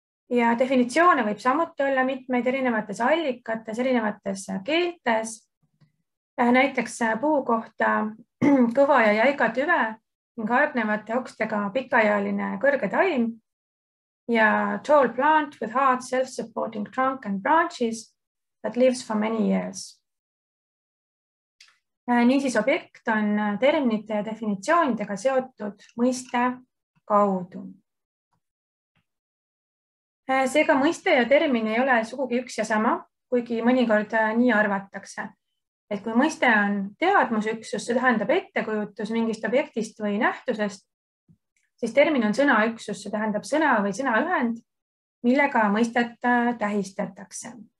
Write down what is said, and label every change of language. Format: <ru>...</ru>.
<et>Ja definitsioone võib samuti olla mitmeid erinevates allikates, erinevates keeltes. Näiteks puu kohta kõva ja jäiga tüve ning hargnevate okstega pikajaline kõrge taim.</et> <en>Ja tall plant with hard self-supporting trunk and branches that lives for many years.</en> <et>Nii siis objekt on terminite ja definitsioonidega seotud mõiste kaudu. Seega mõiste ja termin ei ole sugugi üks ja sama, kuigi mõnikord nii arvatakse. Et kui mõiste on teadmusüksus, see tähendab ettekujutus mingist objektist või nähtusest, siis termin on sõna üksus, see tähendab sõna või sõna ühend, millega mõistet tähistatakse.</et>